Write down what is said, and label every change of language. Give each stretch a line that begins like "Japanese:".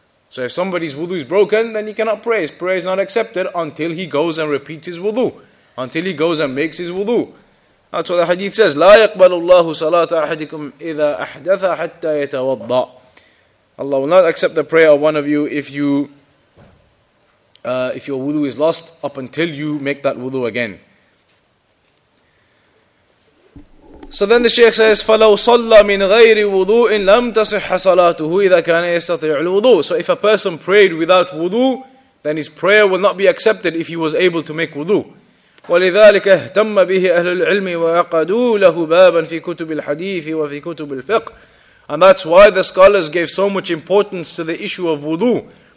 English: So if somebody's wudu is broken, then he cannot pray. His prayer is not accepted until he goes and repeats his wudu, until he goes and makes his wudu. That's what the hadith says.
Arabic: لا يقبل الله صلاة أحدكم إذا أحدث حتى يتوضأ.
English: Allah will not accept the prayer of one of you if your wudu is lost up until you make that wudu again. So then the Shaykh says,
Arabic: فَلَوْ صَلَّى مِنْ غَيْرِ وُضُوءٍ لَمْ تَصِحَّ صَلَاتُهُ إِذَا كَانَ يَسْتَطِعُ الْوُضُوءِ.
English: So if a person prayed without wudu, then his prayer will not be accepted if he was able to make wudu.
Arabic: وَلِذَلِكَ اهْتَمَّ بِهِ أَهْلُ الْعِلْمِ وَيَقَدُوا لَهُ بَابًا فِي كُتُبِ الْحَدِيثِ وَفِي كُتُبِ الْفِقْهِ.
English: And that's why the scholars gave so much importance to the issue of wudu.